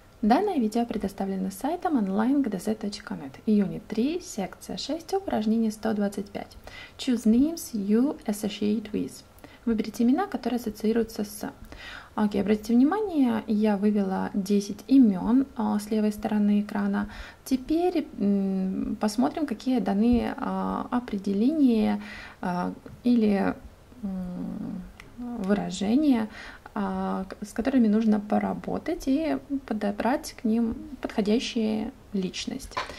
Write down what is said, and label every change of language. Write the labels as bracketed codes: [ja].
[ru] Данное видео предоставлено сайтом online.gdz.net. Unit 3, секция 6, упражнение 125. [en] Choose names you associate with. [ru] Выберите имена, которые ассоциируются с. Окей, обратите внимание, я вывела 10 имен с левой стороны экрана. Теперь посмотрим, какие даны определения или выражения, с которыми нужно поработать и подобрать к ним подходящую личность.